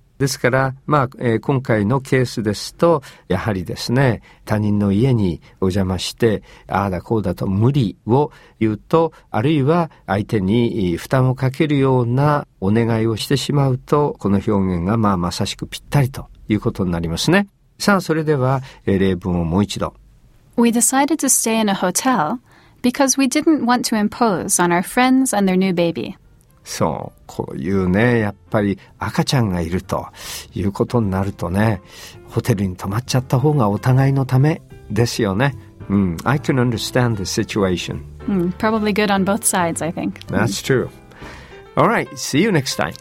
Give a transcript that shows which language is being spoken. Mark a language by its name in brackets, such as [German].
[Japanese] ですから、まあ今回のケースですと、やはりですね、他人の家にお邪魔して、ああだこうだと無理を言うと、あるいは相手に負担をかけるようなお願いをしてしまうと、この表現がまあまさしくぴったりということになりますね。さあ、それでは例文をもう一度。 [English] We decided to stay in a hotel. Because we didn't want to impose on our friends and their new baby. [Japanese] そう、こういうね、やっぱり赤ちゃんがいるということになるとね、ホテルに泊まっちゃった方がお互いのためですよね。 [English] うん、I can understand the situation. Probably good on both sides, I think. That's true. All right, see you next time.